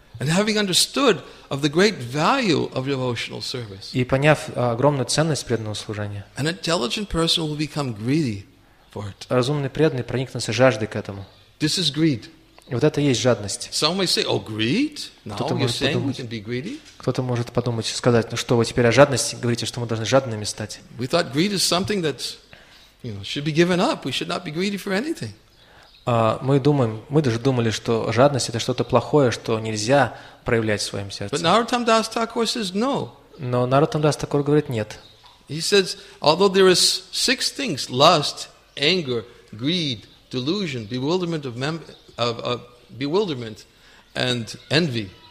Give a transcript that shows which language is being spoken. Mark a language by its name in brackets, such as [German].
[English] And having understood of the great value of devotional service. [Russian] И поняв огромную ценность преданного служения. [English] An intelligent person will become greedy for it. [Russian] Разумный преданный проникнется жаждой к этому. [English] This is greed. [Russian] И вот это и есть жадность. [English] Some may say, oh, greed? Now, [Russian] кто-то может [English] you're saying, [Russian] подумать, [English] we can be greedy? [Russian] Кто-то может подумать, сказать: ну что, вы теперь о жадности говорите, что мы должны жадными стать? [English] We thought greed is something that, you know, should be given up. We should not be greedy for anything. [Russian] Мы даже думали, что жадность — это что-то плохое, что нельзя проявлять в своем сердце. [English] But Narottam Das Thakur says no. [Russian] Но Narottam Das Thakur говорит нет. [English] He says, although there is six things: lust, anger, greed, delusion, bewilderment of bewilderment and envy.